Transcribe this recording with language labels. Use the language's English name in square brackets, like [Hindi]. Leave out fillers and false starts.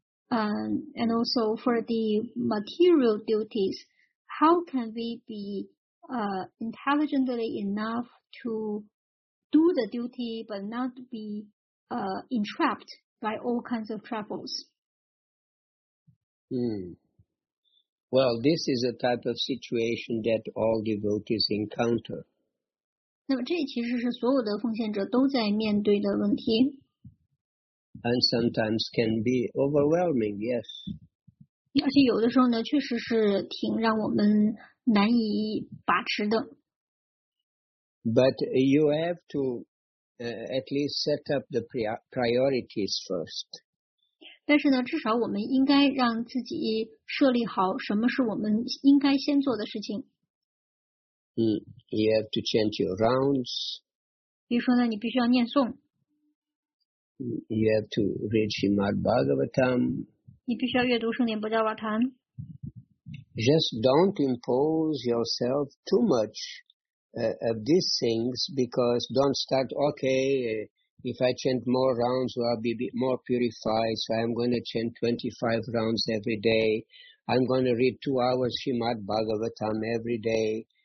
[English] And also for the material duties, how can we be intelligently enough to do the duty but not be entrapped by all kinds of troubles? Well, this is a type of situation that all devotees encounter. [Chinese] 那么这其实是所有的奉献者都在面对的问题。 [English] And sometimes can be overwhelming, yes. [Chinese] 而且有的时候呢，确实是挺让我们难以把持的。 [English] But you have to at least set up the priorities first. [Chinese] 但是呢，至少我们应该让自己设立好什么是我们应该先做的事情。 [English] You have to chant your rounds. [Chinese] 比如说呢，你必须要念诵。 [English] You have to read Srimad Bhagavatam. [Chinese] 你必须要阅读圣典波迦瓦坛。 [English] Just don't impose yourself too much of these things, because don't start, okay, if I chant more rounds, well, I'll be a bit more purified, so I'm going to chant 25 rounds every day. I'm going to read 2 hours Srimad Bhagavatam every day.